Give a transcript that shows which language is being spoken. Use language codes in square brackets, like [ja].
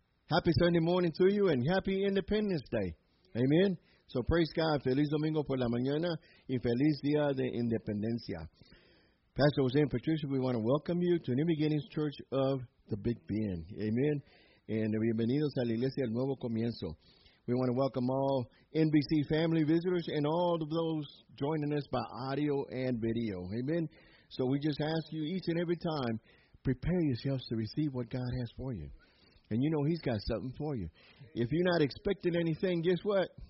[en] Happy Sunday morning to you, and happy Independence Day. Amen. So praise God. [es] Feliz Domingo por la mañana, y feliz Día de Independencia. [en] Pastor Jose and Patricia, we want to welcome you to New Beginnings Church of the Big Bend. Amen. And [es] bienvenidos a la Iglesia del Nuevo Comienzo. [en] We want to welcome all NBC family visitors and all of those joining us by audio and video. Amen. So we just ask you each and every time, prepare yourselves to receive what God has for you. And you know He's got something for you. If you're not expecting anything, guess what?